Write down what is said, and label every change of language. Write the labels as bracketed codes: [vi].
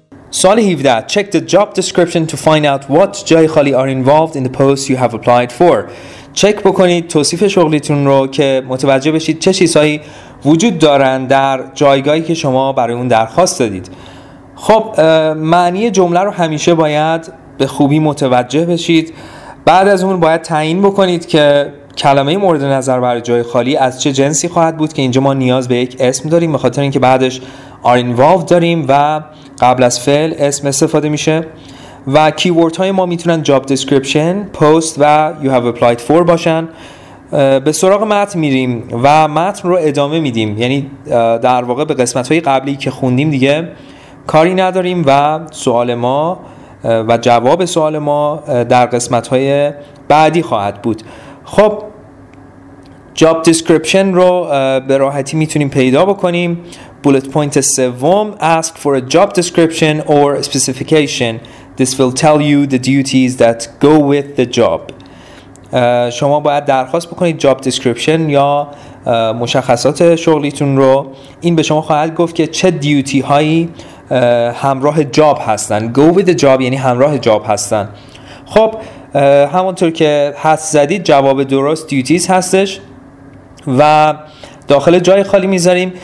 [fa] سوال 17 [en] Check the job description to find out what [fa] جای خالی [en] are involved in the post you have applied for. [fa] چک بکنید توصیف شغلیتون رو که متوجه بشید چه چیزهایی وجود دارن در جایگاهی که شما برای اون درخواست دادید. خب معنی جمله رو همیشه باید به خوبی متوجه بشید. بعد از اون باید تعیین بکنید که کلمه مورد نظر برای جای خالی از چه جنسی خواهد بود، که اینجا ما نیاز به یک اسم داریم به خاطر اینکه بعدش [en] are involved [fa] داریم و قبل از فعل اسم استفاده میشه. و کیورد های ما میتونن [en] job description, post [fa] و [en] you have applied for [fa] باشن. به سراغ متن میریم و متن رو ادامه میدیم، یعنی در واقع به قسمت های قبلی که خوندیم دیگه کاری نداریم و سوال ما و جواب سوال ما در قسمت‌های بعدی خواهد بود. خب job description رو به راحتی میتونیم پیدا بکنیم. [en] bullet point [fa] سوم [en] ask for a job description or specification. This will tell you the duties that go with the job. [fa] شما باید درخواست بکنید job description یا مشخصات شغلیتون رو. این به شما خواهد گفت که چه دیوتی هایی همراه جاب هستن. [en] go with the job [fa] یعنی همراه جاب هستن. خب همونطور که حس زدید جواب درست duties هستش و داخل جای خالی میذاریم.